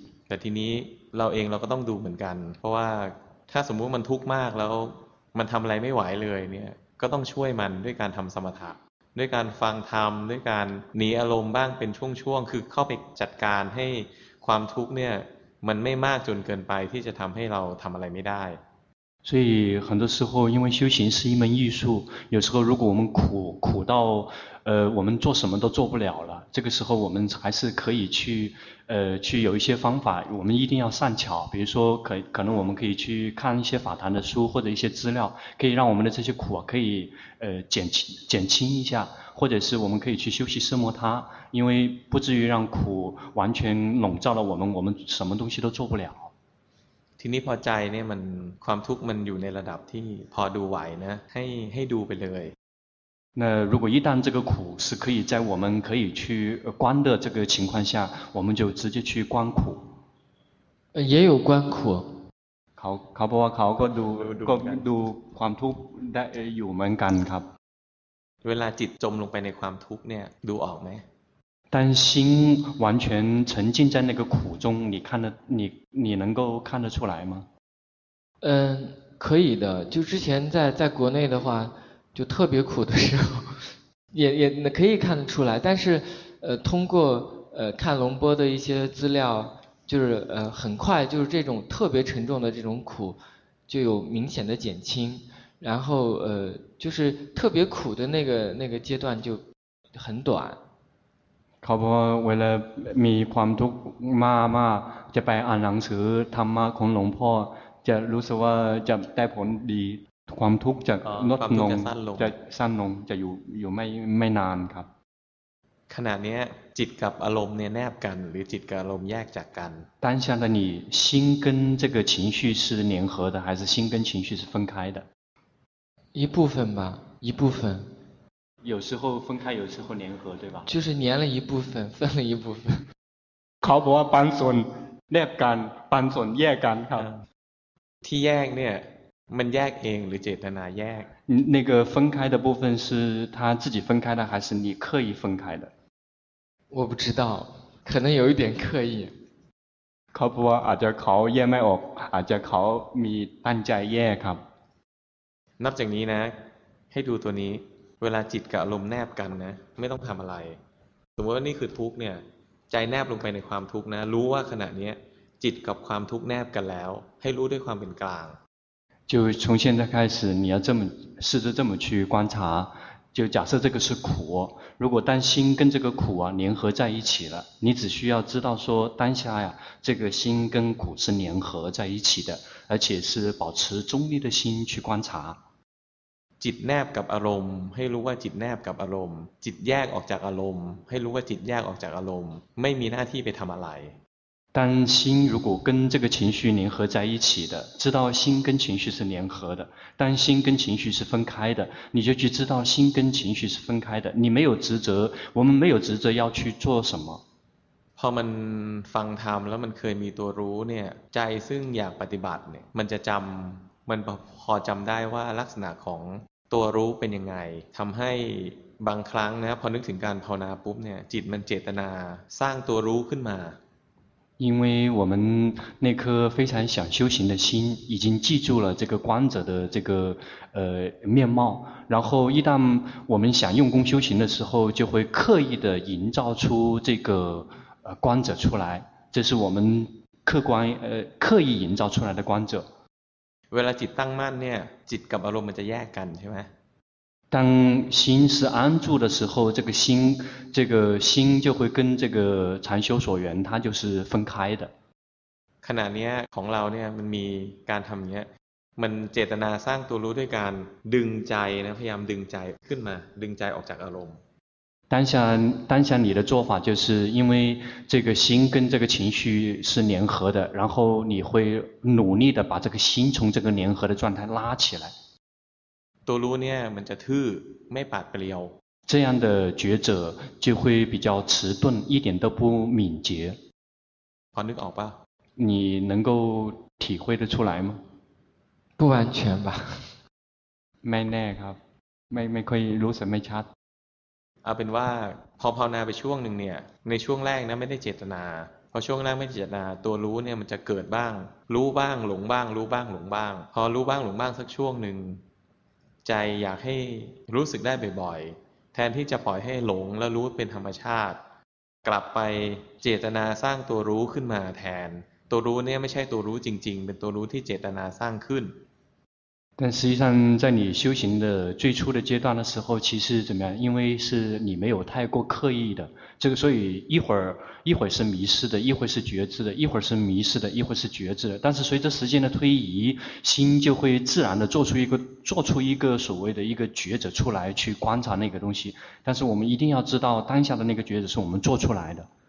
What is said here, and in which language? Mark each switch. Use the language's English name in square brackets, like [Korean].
[Thai] แต่ทีนี้เราเองเราก็ต้องดูเหมือนกันเพราะว่าถ้าสมมุติมันทุกข์มากแล้วมันทำอะไรไม่ไหวเลยเนี่ยก็ต้องช่วยมันด้วยการทำสมถะ ด้วยการฟังธรรมด้วยการหนีอารมณ์บ้างเป็นช่วงๆคือเข้าไปจัดการให้ความทุกข์เนี่ยมันไม่มากจนเกินไปที่จะทำให้เราทำอะไรไม่ได้ [Chinese] 所以很多时候因为修行是一门艺术有时候如果我们苦苦到我们做什么都做不了了这个时候我们还是可以去去有一些方法我们一定要善巧比如说可能我们可以去看一些法坛的书或者一些资料可以让我们的这些苦可以减轻一下或者是我们可以去修习奢摩他因为不至于让苦完全笼罩了我们什么东西都做不了 [Thai] ทีนี้พอใจเนี่ยมันความทุกข์มันอยู่ในระดับที่พอดูไหวนะให้ดูไปเลย [Chinese] 那如果一旦这个苦是可以在我们可以去观的这个情况下我们就直接去观苦也有观苦 [Thai] เขาบอกว่าเขาก็ดูความทุกข์ได้อยู่เหมือนกันครับ เวลาจิตจมลงไปในความทุกข์เนี่ยดูออกไหม [Chinese] 但心完全沉浸在那个苦中你看得你能够看得出来吗嗯可以的就之前在国内的话就特别苦的时候也可以看得出来但是通过看龙波的一些资料就是很快就是这种特别沉重的这种苦就有明显的减轻然后就是特别苦的那个阶段就很短 [Thai] เขาบอกว่าเวลามีความทุกข์มากมากจะไปอ่านหนังสือธรรมะของหลวงพ่อจะรู้สึกว่าจะได้ผลดีความทุกข์จะลด ลง จะสั้นลงจะอยู่ไม่นานครับ ขณะนี้จิตกับอารมณ์เนี่ยแนบกันหรือจิตกับอารมณ์แยกจากกัน [Chinese] 当下的你心跟这个情绪是联合的还是心跟情绪是分开的一部分吧一部分有时候分开有时候联合对吧就是粘了一部分分了一部分 [Thai] เขาบอกว่าบางส่วนแยกกันบางส่วนแยกกันครับ ที่แยกเนี่ยมันแยกเองหรือเจตนาแยก [Chinese] 那个分开的部分是他自己分开的还是你刻意分开的我不知道可能有一点刻意 [Thai] เขาบอกว่าอาจจะเขาแยกไม่ออกอาจจะเขามีตั้งใจแยกครับ นับจากนี้นะให้ดูตัวนี้เวลาจิตกับอารมณ์แนบกันนะไม่ต้องทำอะไรสมมติว่านี่คือทุกข์เนี่ยใจแนบลงไปในความทุกข์นะรู้ว่าขณะนี้จิตกับความทุกข์แนบกันแล้วให้รู้ด้วยความเป็นกลาง [Chinese] 就从现在开始你要这么试着这么去观察就假设这个是苦如果当心跟这个苦啊联合在一起了你只需要知道说当下呀这个心跟苦是联合在一起的而且是保持中立的心去观察 [Thai] จิตแนบกับอารมณ์ให้รู้ว่าจิตแนบกับอารมณ์จิตแยกออกจากอารมณ์ให้รู้ว่าจิตแยกออกจากอารมณ์ไม่มีหน้าที่ไปทำอะไร [Chinese] 当心如果跟这个情绪联合在一起的知道心跟情绪是联合的当心跟情绪是分开的你就去知道心跟情绪是分开的你没有职责我们没有职责要去做什么 [Thai] พอมันฟังธรรมแล้วมันเคยมีตัวรู้เนี่ยใจซึ่งอยากปฏิบัติเนี่ยมันจะจำมันพอจำได้ว่าลักษณะของตัวรู้เป็นยังไงทําให้บางครั้งนะพอนึกถึงการภาวนาปุ๊บเนี่ยจิตมันเจตนาสร้างตัวรู้ขึ้นมา [Chinese] 因为我们那颗非常想修行的心已经记住了这个观者的这个面貌然后一旦我们想用功修行的时候就会刻意的营造出这个观者出来这是我们客观刻意营造出来的观者 [Thai] เวลาจิตตั้งมั่นเนี่ยจิตกับอารมณ์มันจะแยกกันใช่ไหม [Chinese] 当心是安住的时候这个心就会跟这个禅修所缘它就是分开的 [Thai] ขณะนี้ของเราเนี่ยมันมีการทำเนี้ยมันเจตนาสร้างตัวรู้ด้วยการดึงใจนะพยายามดึงใจขึ้นมาดึงใจออกจากอารมณ์ [Chinese] 当下你的做法就是因为这个心跟这个情绪是联合的然后你会努力的把这个心从这个联合的状态拉起来 [Thai] ตัวรู้เนี่ยมันจะทื่อไม่ปัดเปลี่ยว [Chinese] 这样的觉者就会比较迟钝一点都不敏捷 [Thai] พอนึกออกป่ะ [Chinese] 你能够体会得出来吗不完全吧 [Thai] ไม่แน่ครับไม่ค่อยรู้สึกไม่ชัด เอาเป็นว่าพอภาวนาไปช่วงหนึ่งเนี่ยในช่วงแรกนะไม่ได้เจตนาพอช่วงแรกไม่เจตนาตัวรู้เนี่ยมันจะเกิดบ้างรู้บ้างหลงบ้างรู้บ้างหลงบ้างพอรู้บ้างหลงบ้างสักช่วงหนึ่งใจอยากให้รู้สึกได้บ่อย แทนที่จะปล่อยให้หลงแล้วรู้เป็นธรรมชาติกลับไปเจตนาสร้างตัวรู้ขึ้นมาแทนตัวรู้เนี่ยไม่ใช่ตัวรู้จริงๆเป็นตัวรู้ที่เจตนาสร้างขึ้น [Chinese] 但实际上在你修行的最初的阶段的时候其实怎么样因为是你没有太过刻意的这个所以一会儿是迷失的一会儿是觉知的一会儿是迷失的一会儿是觉知的但是随着时间的推移心就会自然的做出一个所谓的一个觉者出来去观察那个东西但是我们一定要知道当下的那个觉者是我们做出来的